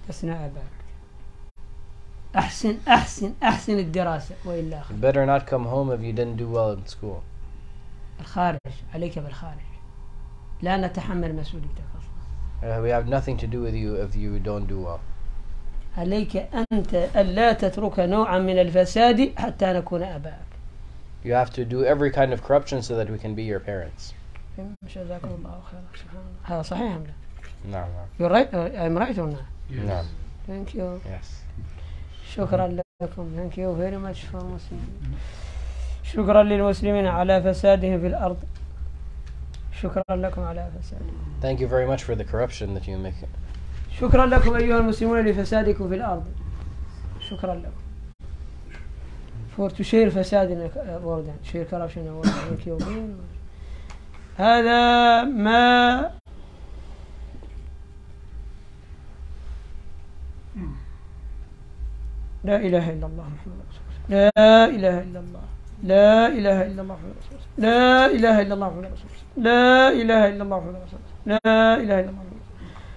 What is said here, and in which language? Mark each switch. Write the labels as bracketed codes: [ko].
[ar] لسنا أباكم. أحسن الدراسة وإلا. [en] You better not come home if you didn't do well in school. [ar] الخارج عليك بالخارج. لا نتحمل مسؤوليتك أصلاً. [en] We have nothing to do with you if you don't do well. [ar] عليك أنت ألا تترك نوعاً من الفساد حتى نكون أباك. [en] You have to do every kind of corruption so that we can be your parents. [ar] جزاكم الله خير. هذا صحيح أم لا؟ نعم. [en] You're right. I'm right or not? [ar] نعم. [en] Thank you. Yes. [ar] شكراً لكم. [en] Thank you very much for Muslims. [ar] شكراً للمسلمين على فسادهم في الأرض. شكرا لكم على فسادكم. [en] Thank you very much for the corruption that you make. [ar] شكرا لكم أيها المسلمون لفسادكم في الأرض. شكرا لكم. [en] For to share فساد in the world, share corruption in the world. Thank you. [ar] هذا ما لا إله إلا الله محمد رسول الله. لا إله إلا الله. لا إله إلا الله محمد رسول الله. لا إله إلا الله محمد رسول الله. لا إله إلا الله محمد رسول الله. لا إله إلا الله محمد رسول الله.